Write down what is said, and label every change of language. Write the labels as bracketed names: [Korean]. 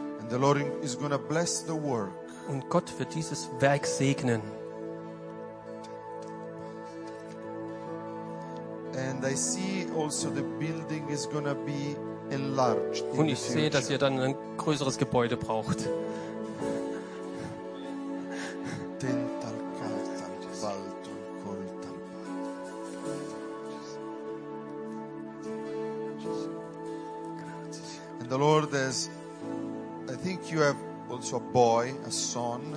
[English] And the Lord is going to bless the work. [German] Und Gott wird dieses Werk segnen. [English] And I see also the building is going to be enlarged. [German] Und ich sehe, dass ihr dann ein größeres Gebäude braucht. [English] The Lord has, I think you have also a boy, a son.